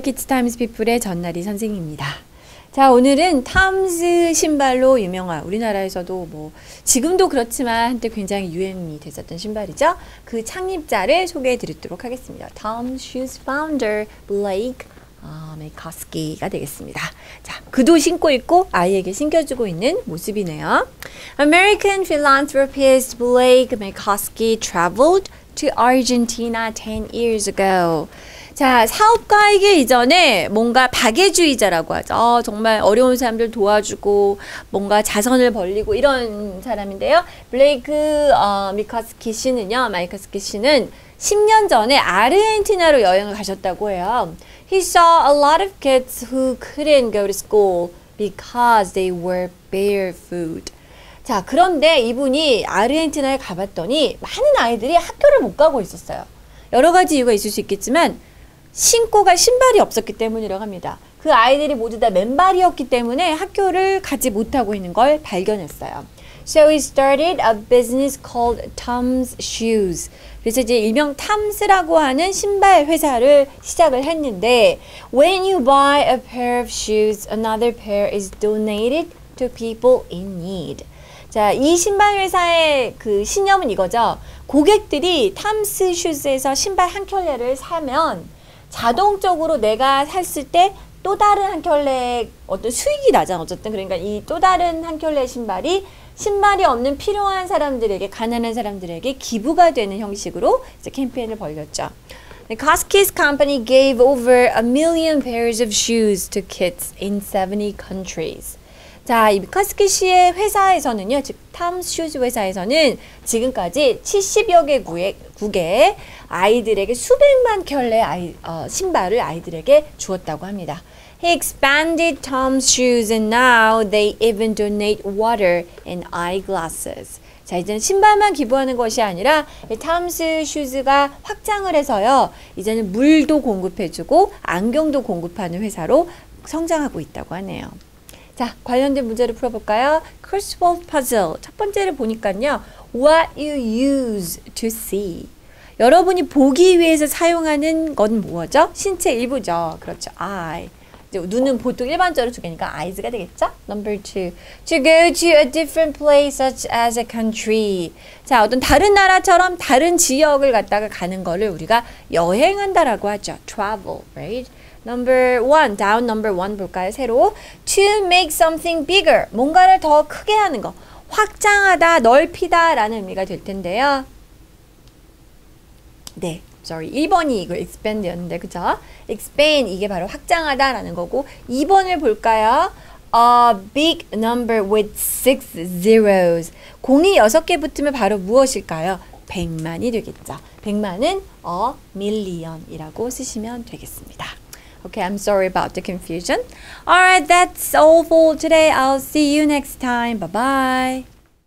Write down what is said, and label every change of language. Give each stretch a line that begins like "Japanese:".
Korean: Kids Times People의 전나리 선생님입니다. 자, 오늘은 탐스 신발로 유명한 우리나라에서도 뭐 지금도 그렇지만 한때 굉장히 유행이 됐었던 신발이죠. 그 창립자를 소개해 드리도록 하겠습니다. Tom's Shoes founder Blake McCoskey가 되겠습니다. 자, 그도 신고 있고 아이에게 신겨주고 있는 모습이네요.
English: American philanthropist Blake McCoskey traveled to Argentina 10 years ago.
Korean: 자, 사업가이기 이전에 뭔가 박애주의자라고 하죠. 정말 어려운 사람들 도와주고 뭔가 자선을 벌리고 이런 사람인데요. 블레이크 미코스키 씨는요, 마이코스키 씨는 10년 전에 아르헨티나로 여행을 가셨다고 해요.
English: He saw a lot of kids who couldn't go to school because they were barefoot.
Korean: 자, 그런데 이분이 아르헨티나에 가봤더니 많은 아이들이 학교를 못 가고 있었어요. 여러 가지 이유가 있을 수 있겠지만 신고 갈 신발이 없었기 때문이라고 합니다. 그 아이들이 모두 다 맨발이었기 때문에 학교를 가지 못하고 있는 걸 발견했어요.
English: So he started a business called Tom's Shoes.
Korean: 그래서 이제 일명 탐스라고 하는 신발 회사를 시작을 했는데
English: When you buy a pair of shoes, another pair is donated to people in need.
Korean: 자, 이 신발 회사의 그 신념은 이거죠. 고객들이 탐스 슈즈에서 신발 한 켤레를 사면 자동적으로 내가 샀을 때 또 다른 한 켤레 어떤 수익이 나잖아. 어쨌든 그러니까 이 또 다른 한 켤레 신발이 신발이 없는 필요한 사람들에게, 가난한 사람들에게 기부가 되는 형식으로 이제 캠페인을 벌였죠.
English: Koski's company gave over a million pairs of shoes to kids in 70 countries.
Korean: 자, 이 Koski 씨의 회사에서는요, 즉 Tom's Shoes 회사에서는 지금까지 70여 개국에 아이들에게 수백만 켤레 신발을 아이들에게 주었다고 합니다.
English: He expanded Tom's Shoes and now they even donate water and eyeglasses.
Korean: 자, 이제는 신발만 기부하는 것이 아니라 Tom's Shoes가 확장을 해서요. 이제는 물도 공급해주고 안경도 공급하는 회사로 성장하고 있다고 하네요. 자, 관련된 문제를 풀어볼까요?
English: Crossword puzzle.
Korean: 첫 번째를 보니까요.
English: What you use to see.
Korean: 여러분이 보기 위해서 사용하는 건 뭐죠? 신체 일부죠. 그렇죠. Eye. 눈은 보통 일반적으로 두 개니까 eyes가 되겠죠?
English: Number two. To go to a different place such as a country.
Korean: 자, 어떤 다른 나라처럼 다른 지역을 갔다가 가는 거를 우리가 여행한다라고 하죠.
English: Travel, right? Number one. Down number one 볼까요?
Korean: 새로.
English: To make something bigger.
Korean: 뭔가를 더 크게 하는 거. 확장하다, 넓히다 라는 의미가 될 텐데요. 네. Sorry. 1번이 이거 expand였는데, 그쵸? Expand, 이게 바로 확장하다 라는 거고 2번을 볼까요?
English: A big number with six zeros.
Korean: 공이 6개 붙으면 바로 무엇일까요? 100만이 되겠죠. 100만은 a million이라고 쓰시면 되겠습니다.
English: Okay, I'm sorry about the confusion. Alright, that's all for today. I'll see you next time. Bye-bye.